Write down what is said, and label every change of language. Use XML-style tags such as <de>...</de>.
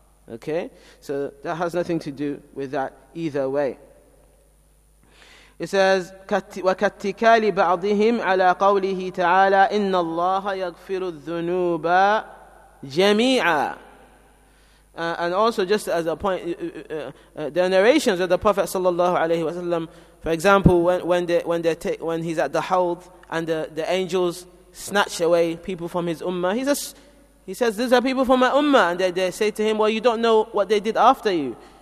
<en>Okay, so that has nothing to do with that either way. It says,</en> <ar>وَكَتِّكَالِ بَعْضِهِمْ عَلَىٰ قَوْلِهِ تَعَالَىٰ إِنَّ اللَّهَ يَغْفِرُ الذُّنُوبَ جَمِيعًا.</ar> <en>And also, just as a point, the narrations of the Prophet sallallahu alaihi wasallam, for example, when he's at the Hawd and the angels snatch away people from his ummah, he says, these are people from my ummah, and they say to him, well, you don't know what they did after you.</en>